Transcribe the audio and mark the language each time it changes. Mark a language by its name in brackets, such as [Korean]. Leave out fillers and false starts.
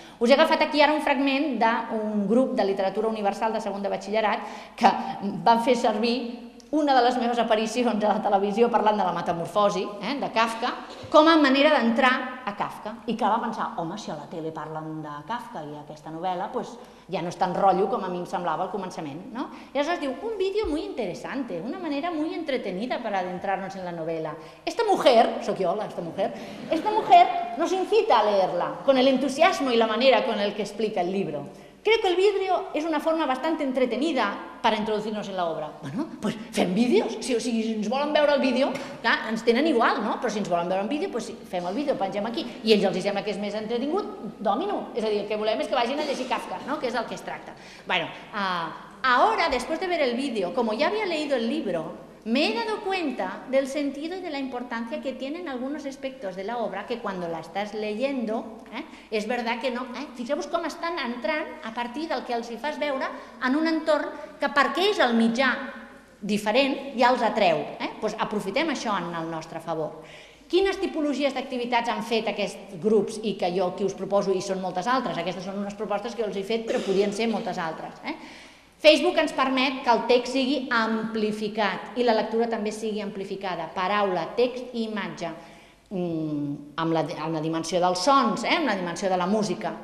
[Catalan] Us he agafat aquí ara un fragment d'un grup de literatura universal de segon de batxillerat que van fer servir una de les meves aparicions a la televisió parlant de la metamorfosi, de Kafka, com a manera d'entrar a Kafka. I que va pensar, home, si a la tele parlen de Kafka i aquesta novel·la, pues, ja no és tan rotllo com a mi em semblava al començament. No? I aleshores diu, [Spanish] un vídeo muy interesante, una manera muy entretenida para adentrarnos en la novela. Esta mujer, [Catalan] soc jo, [Spanish] esta mujer nos incita a leerla con el entusiasmo y la manera con el que explica el libro. Creo que el vídeo es una forma bastante entretenida para introducirnos en la obra. [Catalan] Bueno, pues fem vídeos. Si ens volen veure el vídeo, clar, ens tenen igual, no? Però si ens volen veure en vídeo, pues fem el vídeo, pengem aquí. I ells els sembla que és més entretingut, domino. És a dir, el que volem és que vagin a llegir Kafka, no? Que és el que es tracta. [Spanish] Bueno, ahora, después de ver el vídeo, como ya había leído el libro, me he dado cuenta del sentido y de la importancia que tienen algunos aspectos de la obra que cuando la estás leyendo, es verdad que no, [Catalan] fixeu-vos com estan entrant a partir del que els hi fas veure en un entorn que perquè és el mitjà diferent ja els atreu. Pues aprofitem això en el nostre favor. Quines tipologies d'activitats han fet aquests grups i que jo aquí us proposo i són moltes altres? Aquestes són unes propostes que jo els he fet però podien ser moltes altres. Facebook ens permet que el text sigui amplificat i la lectura també sigui amplificada, paraula, text i imatge, amb la dimensió dels sons, amb la dimensió de la música.